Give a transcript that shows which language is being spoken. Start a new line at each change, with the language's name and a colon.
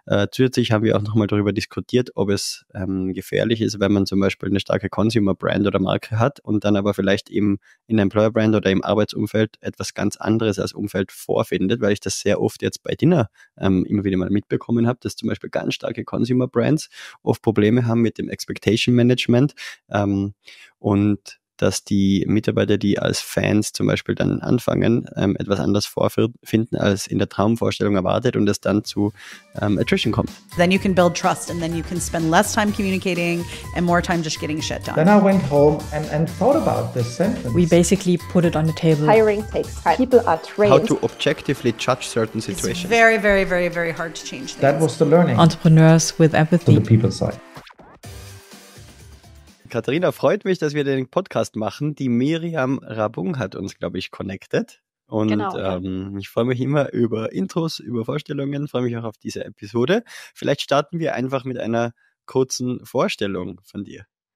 German: Zusätzlich haben wir auch nochmal darüber diskutiert, ob es gefährlich ist, wenn man zum Beispiel eine starke Consumer Brand oder Marke hat und dann aber vielleicht eben in Employer Brand oder im Arbeitsumfeld etwas ganz anderes als Umfeld vorfindet, weil ich das sehr oft jetzt bei Dinner immer wieder mal mitbekommen habe, dass zum Beispiel ganz starke Consumer Brands oft Probleme haben mit dem Expectation Management und dass die Mitarbeiter, die als Fans zum Beispiel dann anfangen, etwas anders vorfinden, als in der Traumvorstellung erwartet und es dann zu Attrition kommt.
English: Then you can build trust and then you can spend less time communicating and more time just getting shit done. Then I went home and thought about this sentence. We basically put it on the table. Hiring takes time. People are trained. How to objectively judge certain situations. It's very, very, very, very hard to change things. That was the learning. Entrepreneurs with empathy. To the people side.
German: Katharina, freut mich, dass wir den Podcast machen. Die Miriam Rabung hat uns, glaube ich, connected. Und genau. Ich freue mich immer über Intros, über Vorstellungen, freue mich auch auf diese Episode. Vielleicht starten wir einfach mit einer kurzen Vorstellung von dir.